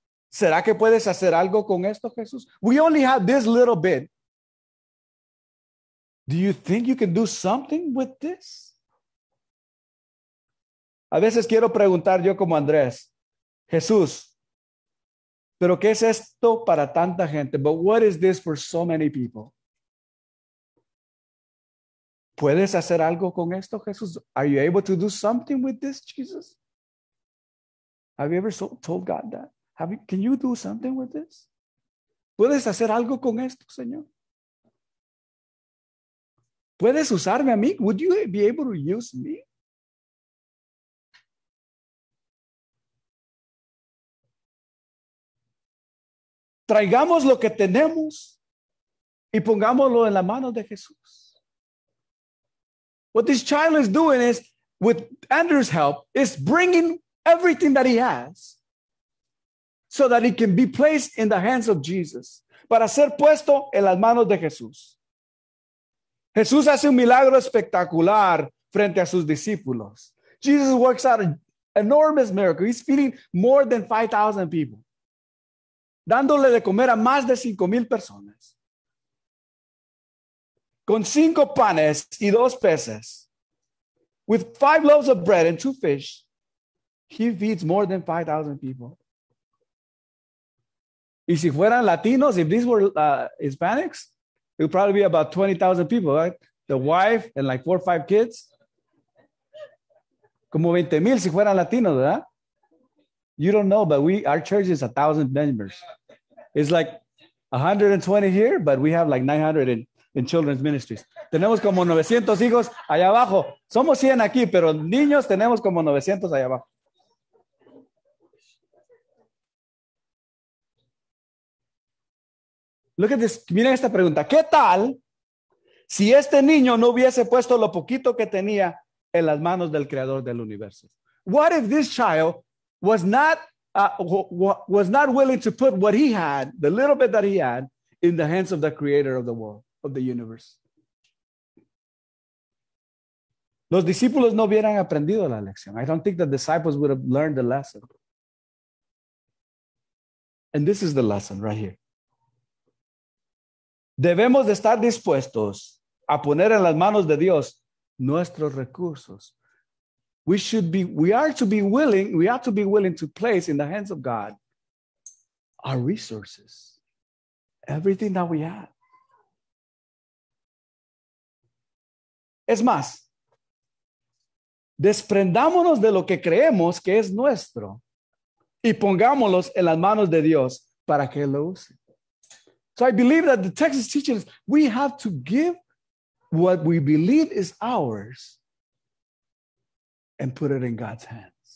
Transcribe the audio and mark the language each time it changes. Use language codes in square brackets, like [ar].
[es] ¿Será que puedes hacer algo con esto, Jesús? [en] We only have this little bit. Do you think you can do something with this? [es] A veces quiero preguntar yo como Andrés, Jesús, ¿pero qué es esto para tanta gente? [en] But what is this for so many people? [es] ¿Puedes hacer algo con esto, Jesús? [en] Are you able to do something with this, Jesus? Have you ever told God that? Can you do something with this? [es] ¿Puedes hacer algo con esto, Señor? ¿Puedes usarme a mí? [en] Would you be able to use me? [es] Traigamos lo que tenemos y pongámoslo en la mano de Jesús. [en] What this child is doing is with Andrew's help, is bringing everything that he has so that he can be placed in the hands of Jesus. [es] Para ser puesto en las manos de Jesús. Jesús hace un milagro espectacular frente a sus discípulos. [en] Jesus works out an enormous miracle. He's feeding more than 5,000 people. [es] Dándole de comer a más de 5,000 personas. Con 5 panes y 2 peces. [en] With 5 loaves of bread and 2 fish, he feeds more than 5,000 people. [es] Y si fueran Latinos, [en] if these were Hispanics, it would probably be about 20,000 people, right? The wife and like 4 or 5 kids. [es] Como 20,000 si fueran Latinos, ¿verdad? [en] You don't know, but our church is 1,000 members. It's like 120 here, but we have like 900 in children's ministries. [es] Tenemos como 900 hijos allá abajo. Somos 100 aquí, pero niños tenemos como 900 allá abajo. [en] Look at this. [es] Miren esta pregunta. ¿Qué tal si este niño no hubiese puesto lo poquito que tenía en las manos del creador del universo? [en] What if this child was not willing to put what he had, the little bit that he had, in the hands of the creator of the world, of the universe? [es] Los discípulos no hubieran aprendido la lección. [en] I don't think the disciples would have learned the lesson. And this is the lesson right here. [es] Debemos de estar dispuestos a poner en las manos de Dios nuestros recursos. [en] We are to be willing to place in the hands of God our resources, everything that we have. [es] Es más, desprendámonos de lo que creemos que es nuestro y pongámoslos en las manos de Dios para que lo use. [en] So I believe that the text is teaching us we have to give what we believe is ours and put it in God's hands.